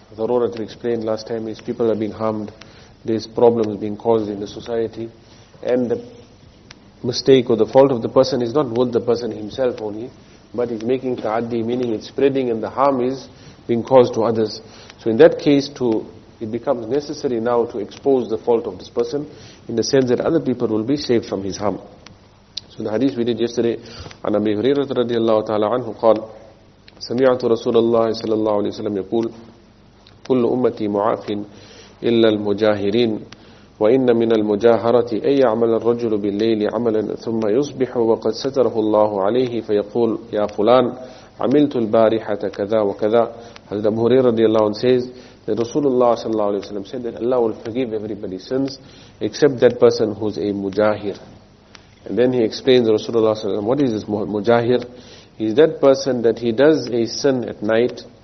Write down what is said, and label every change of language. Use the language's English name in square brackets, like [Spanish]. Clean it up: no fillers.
[English] Zarurat, we explained last time, is people are being harmed, there's problems being caused in the society, and the mistake or the fault of the person is not with the person himself only, but is making ta'addi, meaning it's spreading, and the harm is being caused to others. So in that case, it becomes necessary now to expose the fault of this person, in the sense that other people will be saved from his harm. So the hadith we did yesterday, [Arabic] an Abi Hurairah radiallahu ta'ala anhu qal, سَمِعَتُ رَسُولَ اللَّهِ صَلَى اللَّهُ عَلَيْهِ وَسَلَّمَ يَقُولُ كُلُّ أُمَّتِي مُعَافٍ إِلَّا الْمُجَاهِرِينَ وَإِنَّ مِنَ الْمُجَاهَرَةِ أَنْ يَعْمَلَ الرَّجُلُ بِاللَّيْلِ عَمَلًا ثُمَّ يُصْبِحُ وَقَدْ سَتَرَهُ اللَّهُ عَلَيْهِ فَيَقُولُ يَا فُلَانَ عملت البارحة كذا وكذا. [English] حضرت أبو هريرة رضي الله عنه says that Rasulullah صلى الله عليه وسلم said that Allah will forgive everybody's sins except that person who's a mujahir. And then he explains Rasulullah صلى الله عليه وسلم, what is this mujahir? He's that person that he does a sin at night.